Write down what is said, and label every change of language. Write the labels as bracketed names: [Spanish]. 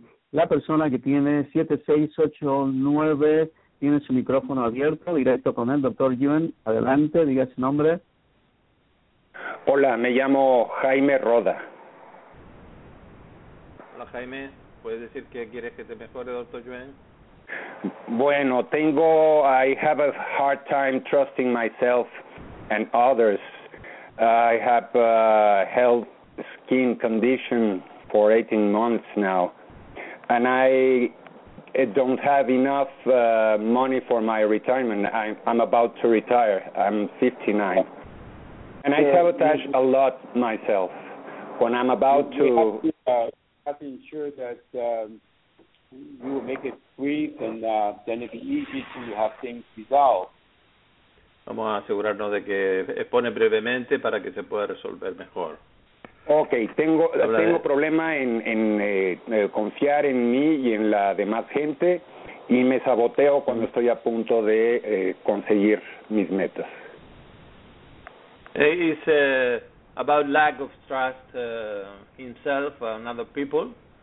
[Spanish] La persona que tiene 7689 tiene su micrófono abierto, directo con el doctor Yuen. Adelante, diga su nombre. Hola, me llamo Jaime Roda. Hola, Jaime. ¿Puedes decir qué quieres que te mejore, doctor Yuen? [English] Bueno, I have a hard time trusting myself and others. I have a health skin condition for 18 months now. And I don't have enough money for my retirement. I'm about to retire. I'm 59. And I sabotage a lot myself when I'm about to. Have to ensure that you will make it brief, and then it'll be easy to have things resolved. [Spanish] Vamos a asegurarnos de que expone brevemente para que se pueda resolver mejor. Okay, tengo problema en confiar en mí y en la demás gente, y me saboteo cuando estoy a punto de conseguir mis metas. [English] It's about lack of trust himself and other people.